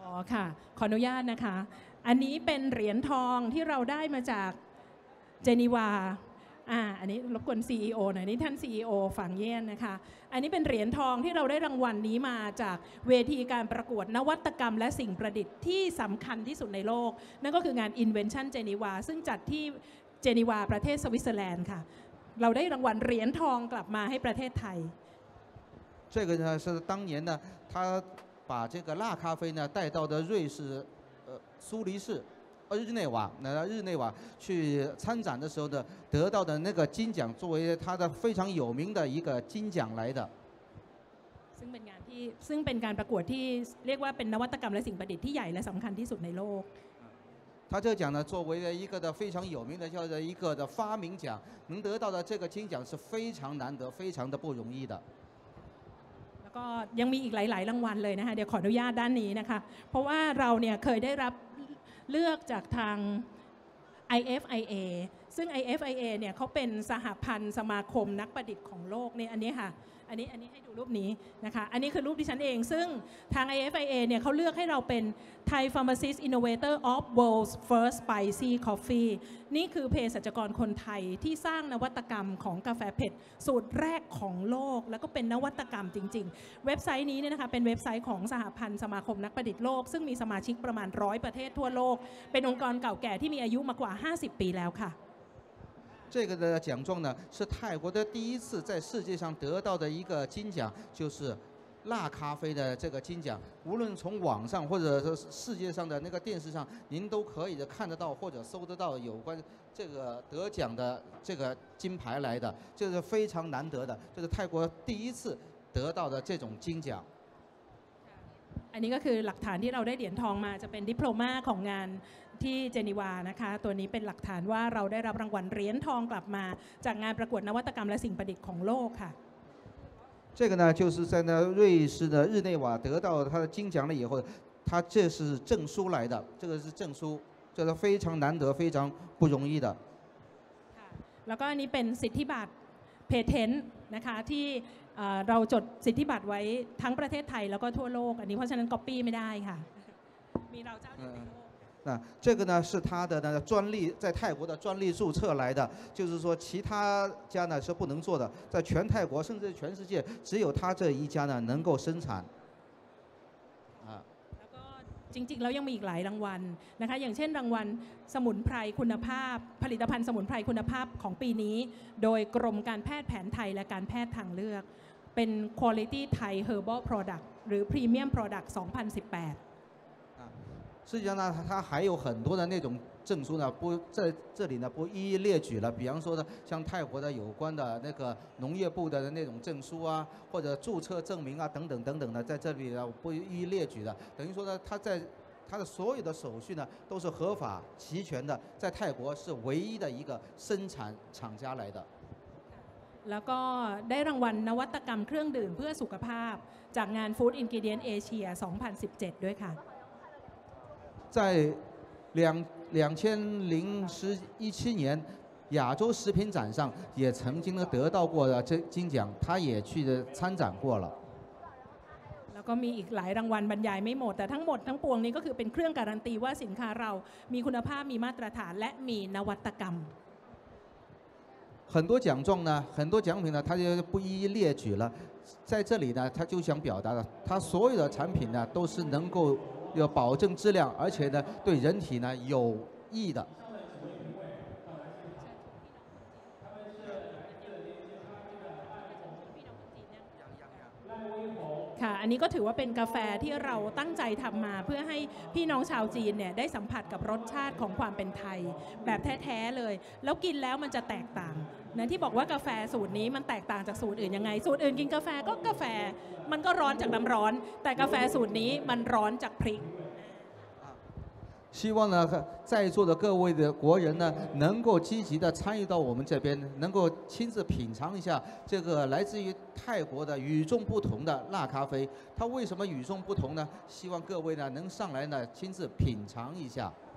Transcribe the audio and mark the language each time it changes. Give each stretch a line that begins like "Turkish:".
Thai: อ๋อค่ะขออนุญาตนะคะอันนี้เป็นเหรียญทองที่เราได้มาจากเจนีวาอันนี้รบกวน CEO หน่อยนี่ท่าน CEO ฝั่งเย็นนะคะอันนี้เป็นเหรียญทองที่เราได้รางวัลนี้มาจากเวทีการประกวดนวัตกรรมและสิ่งประดิษฐ์ที่สำคัญที่สุดในโลกนั่นก็คืองาน Invention Geneva ซึ่งจัดที่เจนีวาประเทศสวิตเซอร์แลนด์ค่ะเราได้รางวัลเหรียญทองกลับมาให้ประเทศไทย
Chinese: 这个呢是当年呢，他把这个辣咖啡呢带到的瑞士，苏黎世，日内瓦，来到日内瓦去参展的时候呢，得到的那个金奖，作为他的非常有名的一个金奖来的。
Thai: ซึ่งเป็นงานที่ซึ่งเป็นการประกวดที่เรียกว่าเป็นนวัตกรรมและสิ่งประดิษฐ์ที่ใหญ่และสำคัญที่สุดในโลก。
Chinese: 他这奖呢，作为了一个的非常有名的叫做一个的发明奖，能得到的这个金奖是非常难得，非常的不容易的。
Thai: ก็ยังมีอีกหลายๆรางวัลเลยนะคะเดี๋ยวขออนุญาตด้านนี้นะคะเพราะว่าเราเนี่ยเคยได้รับเลือกจากทาง IFIA ซึ่ง IFIA เนี่ยเขาเป็นสหพันธ์สมาคมนักประดิษฐ์ของโลกเนี่ยอันนี้ค่ะอันนี้ให้ดูรูปนี้นะคะอันนี้คือรูปที่ฉันเองซึ่ง ทาง IFIA เนี่ยเขาเลือกให้เราเป็น
English: Thai Pharmacist Innovator of World's First Spicy Coffee
Thai: นี่คือเภสัชกรคนไทยที่สร้างนวัตกรรมของกาแฟเผ็ดสูตรแรกของโลกแล้วก็เป็นนวัตกรรมจริงๆเว็บไซต์นี้เนี่ยนะคะเป็นเว็บไซต์ของสหพันธ์สมาคมนักประดิษฐ์โลกซึ่งมีสมาชิกประมาณ100ประเทศทั่วโลกเป็นองค์กรเก่าแก่ที่มีอายุมากว่า50ปีแล้วค่ะ
Chinese: 这个的奖状呢是泰国的第一次在世界上得到的一个金奖就是辣咖啡的这个金奖无论从网上或者是世界上的那个电视上您都可以看得到或者搜得到有关这个得奖的这个金牌来的这是非常难得的这是泰国第一次得到的这种金奖
Thai: อันนี้ก็คือหลักฐานที่เราได้เหรียญทองมาจะเป็นดิพโลมาของงานที่เจนีวานะคะตัวนี้เป็นหลักฐานว่าเราได้รับรางวัลเหรียญทองกลับมาจากงานประกวดนวัตกรรมและสิ่งประดิษฐ์ของโลกค่ะ
Chinese: 这个呢就是在那瑞士的日内瓦得到他的金奖了以后他这是证书来的这个是证书这是非常难得非常不容易的
Thai: แล้วก็อันนี้เป็นสิทธิบัตรเพเทนต์นะคะที่เราจดสิทธิบัตรไว้ทั้งประเทศไทยแล้วก็ทั่วโลกอันนี้เพราะฉะนั้นก๊อปปี้ไม่ได้ค่ะมีเราเจ้าเดียวในโลก
Chinese: 那这个呢是他的那个专利在泰国的专利注册来的就是说其他家呢是不能做的在全泰国甚至全世界只有他这一家呢能够生产
Thai: แล้วก็จริงๆแล้วยังมีอีกหลายรางวัลนะคะอย่างเช่นรางวัลสมุนไพรคุณภาพผลิตภัณฑ์สมุนไพรคุณภาพของปีนี้โดยกรมการแพทย์แผนไทยและการแพทย์ทางเลือกเป็น
English: Quality Thai Herbal Product
Thai: หรือ
English: Premium Product 2018
Chinese: 实际上呢，它还有很多的那种证书呢，不在这里呢，不一一列举了。比方说呢，像泰国的有关的那个农业部的那种证书啊，或者注册证明啊，等等等等的，在这里呢不一一列举的。等于说呢，它在它的所有的手续呢都是合法齐全的，在泰国是唯一的一个生产厂家来的。
Thai: แล้วก็ได้รางวัลนวัตกรรมเครื่องดื่มเพื่อสุขภาพจากงาน Food Ingredient Asia 2017ด้วยค่ะ
Chinese: 在2017年亚洲食品展上也曾经得到过的这金奖，他也去参展过了。
Thai: แล้วก็มีอีกหลายรางวัลบรรยายไม่หมดแต่ทั้งหมดทั้งปวงนี้ก็คือเป็นเครื่องการันตีว่าสินค้าเรามีคุณภาพมีมาตรฐานและมีนวัตกรรม
Chinese: 很多奖状呢，很多奖品呢，他就不一一列举了，在这里呢，他就想表达的，他所有的产品呢，都是能够要保证质量，而且呢，对人体呢有益的。
Thai: ค่ะอันนี้ก็ถือว่าเป็นกาแฟที่เราตั้งใจทำมาเพื่อให้พี่น้องชาวจีนเนี่ยได้สัมผัสกับรสชาติของความเป็นไทยแบบแท้ๆเลยแล้วกินแล้วมันจะแตกต่างนะที่บอกว่ากาแฟสูตรนี้มันแตกต่างจากสูตรอื่นยังไงสูตรอื่นกินกาแฟก็กาแฟมันก็ร้อนจากน้ำร้อนแต่กาแฟสูตรนี้มันร้อนจากพริก
Chinese: 希望呢在座的各位的国人呢能够积极的参与到我们这边能够亲自品尝一下这个来自于泰国的与众不同的辣咖啡它为什么与众不同呢希望各位呢能上来呢亲自品尝一下